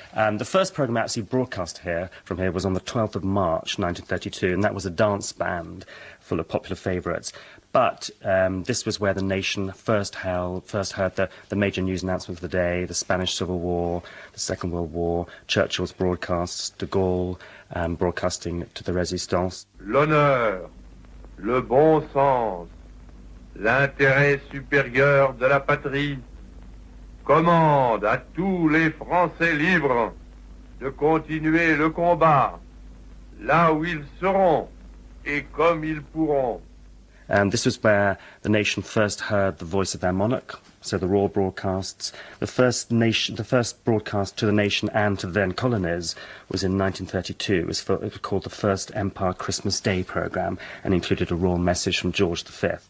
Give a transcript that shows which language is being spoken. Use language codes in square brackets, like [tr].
[en] The first programme actually broadcast here from here was on the 12th of March, 1932, and that was a dance band full of popular favourites. But this was where the nation first heard the major news announcement of the day, the Spanish Civil War, the Second World War, Churchill's broadcasts, de Gaulle, broadcasting to the Résistance. [fr] L'honneur, le bon sens, l'intérêt supérieur de la patrie commande à tous les Français libres de continuer le combat là où ils seront et comme ils pourront. [en] And this was where the nation first heard the voice of their monarch, so the royal broadcasts. The first broadcast to the nation and to the then colonies was in 1932. It was called the First Empire Christmas Day Programme and included a royal message from George V.